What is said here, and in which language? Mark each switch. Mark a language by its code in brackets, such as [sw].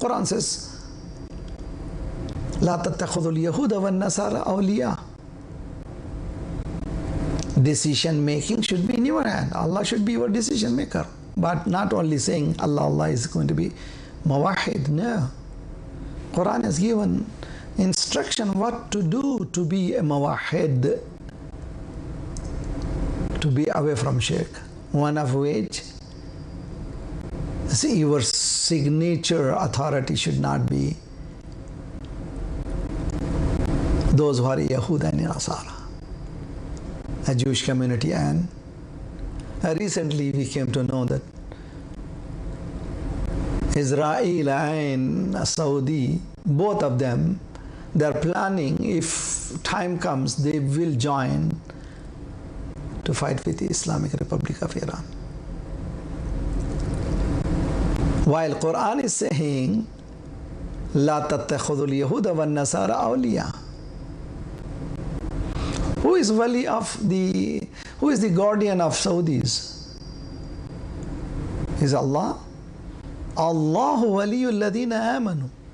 [en] Quran says, [ar] لا تتخذوا اليهود والنصارى أولياء. [en] Decision making should be in your hand. Allah should be your decision maker. But not only saying Allah is going to be Mawahid, no. Quran has given instruction what to do to be a Mawahid, to be away from Shirk. One of which, see, your signature authority should not be those who are Yehud and Nasara, a Jewish community. And recently we came to know that Israel and Saudi, both of them, they're planning, if time comes, they will join to fight with the Islamic Republic of Iran. While Quran is saying, [ar] لا تتخذوا اليهود والنصارى أولياء. [en] Who is wali of the, who is the guardian of Saudis? Is Allah? Allah wali [ar] الذين آمنوا.